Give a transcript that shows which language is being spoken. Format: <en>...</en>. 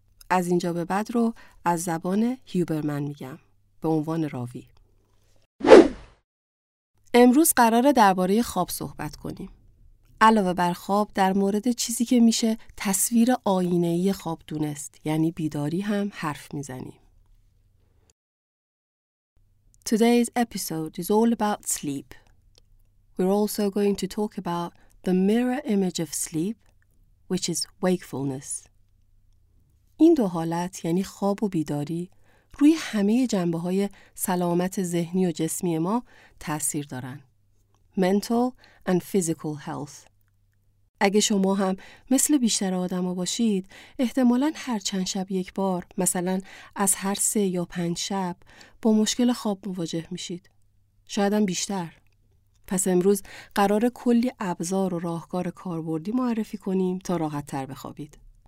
<fa>از اینجا به بعد رو از زبان هوبرمن میگم به عنوان راوی. امروز قراره درباره خواب صحبت کنیم. علاوه بر خواب در مورد چیزی که میشه تصویر آینه‌ای خواب دونست، یعنی بیداری هم حرف میزنیم.</fa> <en>Today's episode is all about sleep. We're also going to talk about the mirror image of sleep, which is wakefulness.</en> <fa>این دو حالت یعنی خواب و بیداری روی همه جنبه‌های سلامت ذهنی و جسمی ما تأثیر دارن.</fa> <en>Mental and physical health.</en> <fa>اگه شما هم مثل بیشتر آدم‌ها باشید، احتمالاً هر چند شب یک بار، مثلا از هر 3 یا 5 شب، با مشکل خواب مواجه میشید. شاید هم بیشتر. پس امروز قراره کلی ابزار و راهکار کاربردی معرفی کنیم تا راحت‌تر بخوابید.</fa>